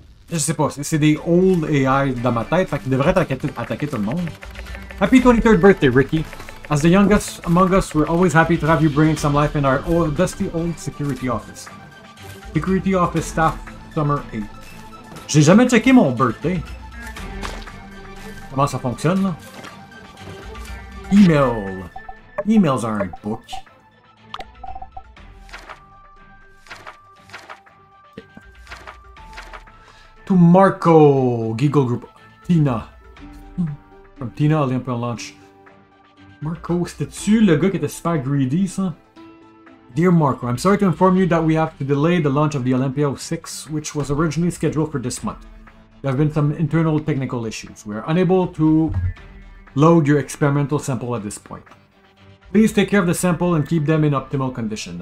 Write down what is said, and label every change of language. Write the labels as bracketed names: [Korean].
[French] Je sais pas, c'est des [English] old AI [French] dans ma tête, fait qu'ils devraient attaquer tout le monde. [English] Happy 23rd birthday, Ricky. As the youngest among us, we're always happy to have you bring some life in our old, dusty old security office. Security office staff, summer 8. [French] J'ai jamais checké mon birthday. Comment ça fonctionne, là? [English] Email. Emails are a book. To Marco, Giggle Group, Tina. From Tina Olympia Launch. [French] Marco, c'était-tu le gars qui était [English] super greedy, [French] ça? [English] Dear Marco, I'm sorry to inform you that we have to delay the launch of the Olympia 06, which was originally scheduled for this month. There have been some internal technical issues. We are unable to load your experimental sample at this point. Please take care of the sample and keep them in optimal condition.